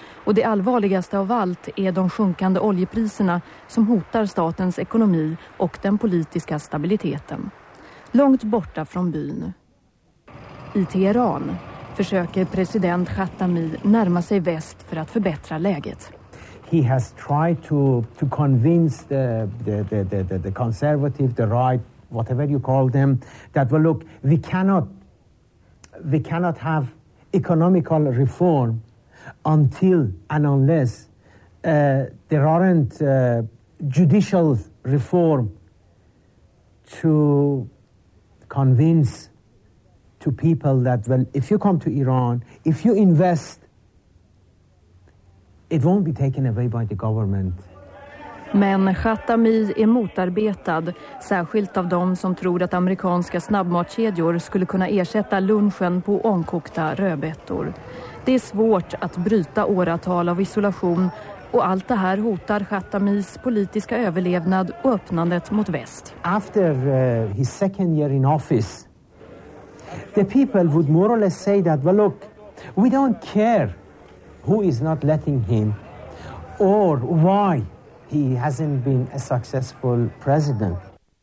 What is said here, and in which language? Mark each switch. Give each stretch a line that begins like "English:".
Swedish: Och det allvarligaste av allt är de sjunkande oljepriserna som hotar statens ekonomi och den politiska stabiliteten. Långt borta från byn. I Teheran försöker president Khatami närma sig väst för att förbättra läget.
English: He has tried to convince the conservative, the right, whatever you call them, that well, look, we cannot have economical reform until and unless there aren't judicial reform to convince to people that well, if you come to Iran, if you invest, it won't be taken away by the government.
Swedish: Men Khatami är motarbetad, särskilt av de som tror att amerikanska snabbmatskedjor skulle kunna ersätta lunchen på ångkokta rödbetor. Det är svårt att bryta åratal av isolation och allt det här hotar Khatamis politiska överlevnad och öppnandet mot väst.
English: After his second year in office, the people would more or less say that, well look, we don't care who is not letting him or why he hasn't been a successful president.